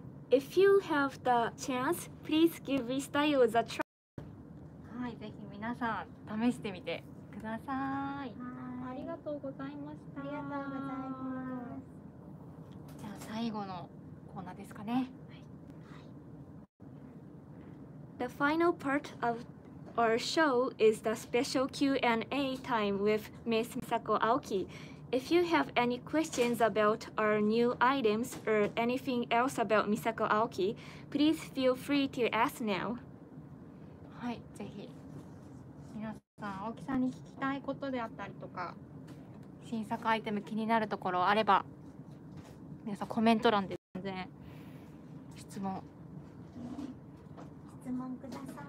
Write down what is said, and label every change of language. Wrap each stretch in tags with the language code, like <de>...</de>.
<en>If you have the chance, please give Restyles a try.</en> <ja>はい、ぜひ皆さん試してみてください。はい、ありがとうございました。ありがとうございます。じゃあ最後のコーナーですかね。</ja> <en>はい、The final part of our show is the special Q&A time with Ms. Misako Aoki. If you have any questions about our new items or anything else about Misako Aoki, please feel free to ask now.</en> <ja>はい、ぜひ皆さん、Aokiさんに聞きたいことであったりとか、新作アイテム気になるところあれば、皆さんコメント欄で全然質問ください。</ja>